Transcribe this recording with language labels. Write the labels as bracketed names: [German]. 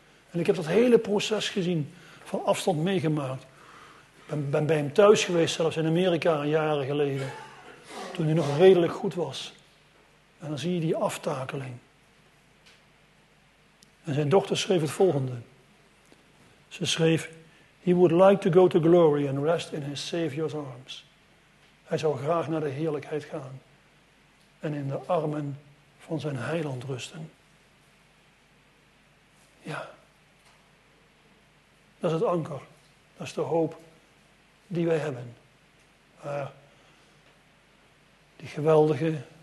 [Dutch] En ik heb dat hele proces gezien. Van afstand meegemaakt. Ik ben bij hem thuis geweest, zelfs in Amerika, jaren geleden. Toen hij nog redelijk goed was. En dan zie je die aftakeling. En zijn dochter schreef het volgende. Ze schreef, [English] he would like to go to glory and rest in his Savior's arms. [Dutch] Hij zou graag naar de heerlijkheid gaan. En in de armen van zijn heiland rusten. Ja. Dat is het anker. Dat is de hoop. Die wij hebben. Die geweldige,